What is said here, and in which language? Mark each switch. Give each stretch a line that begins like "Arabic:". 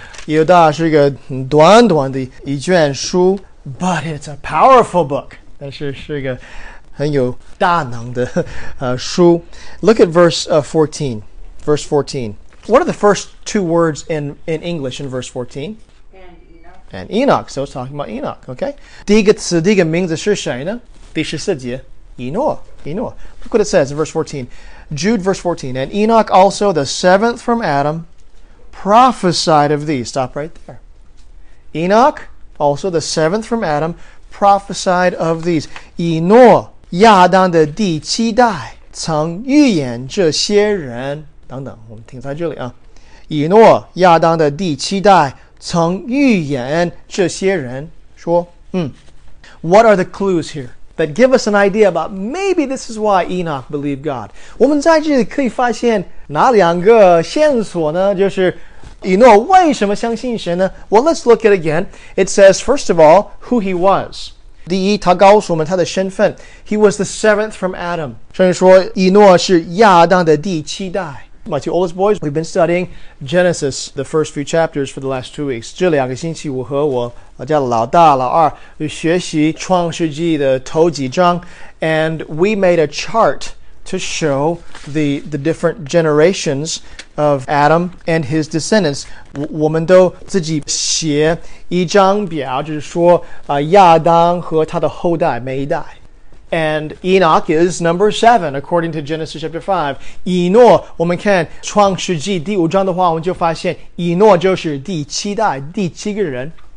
Chinese: 犹大是一个短短的一卷书。
English: But it's a powerful book.
Chinese: 但是是一个很有大能的书。
English: Look at verse 14. What are the first two words in English in verse 14? And Enoch. So it's talking about Enoch, okay?
Chinese: 第一个词,第一个名字是谁呢? 第十四节,以诺。
English: Look what it says in verse 14. Jude verse 14. And Enoch also, the seventh from Adam, prophesied of thee. Stop right there. Enoch? Also, the seventh from Adam prophesied of these.
Chinese: 以诺亚当的第七代曾预言这些人等等我们停在这里啊。以诺亚当的第七代曾预言这些人说
English: What are the clues here that give us an idea about maybe this is why Enoch believed God?
Chinese: 我们在这里可以发现哪两个线索呢就是以诺为什么相信神呢?
English: Well, let's look at it again. It says, first of all, who he was.
Chinese: 第一,他告诉我们他的身份。
English: He was the seventh from Adam.
Chinese: 圣经说以诺是亚当的第七代。
English: My two oldest boys, we've been studying Genesis, the first few chapters for the last 2 weeks.
Chinese: 这两个星期我和我家老大、老二学习创世纪的头几章。
English: And we made a chart to show the different generations. Of Adam and his descendants,
Chinese: 我们都自己写一张表，就是说亚当和他的后代每一代。
English: And Enoch is number 7, according to Genesis chapter 5.
Chinese: 以诺，我们看创世纪第五章的话，我们就发现以诺就是第七代，第七个人。